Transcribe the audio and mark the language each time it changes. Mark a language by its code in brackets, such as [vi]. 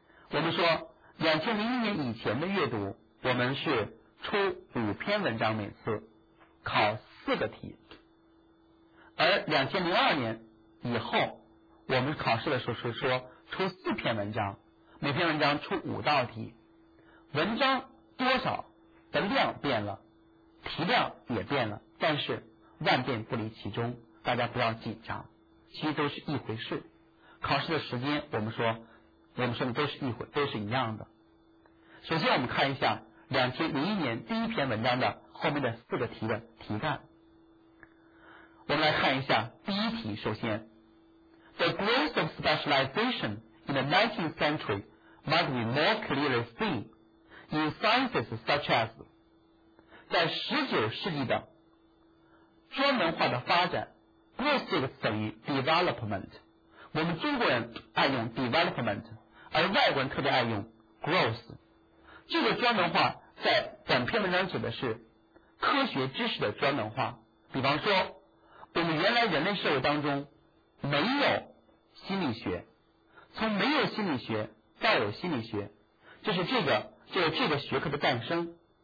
[zh] 我们说2001年以前的阅读，我们是出五篇文章，每次考四个题，而2002年以后，我们考试的时候是说出四篇文章，每篇文章出五道题，文章多少的量变了，题量也变了，但是万变不离其宗，大家不要紧张，其实都是一回事。考试的时间，我们说的都是一样的。首先，我们看一下2001年第一篇文章的后面的四个题的题干。我们来看一下第一题。首先 [en] ，The growth of specialization in the 19th century must be more clearly seen in sciences such as， [zh] 在19世纪的专门化的发展 [en] ，growth [zh] 这个词等于 [en] development。 [zh] 我们中国人爱用 development， 而外国人特别爱用 growth。这个专门化在本篇文章指的是科学知识的专门化。比方说，我们原来人类社会当中没有心理学，从没有心理学到有心理学，就是这个学科的诞生。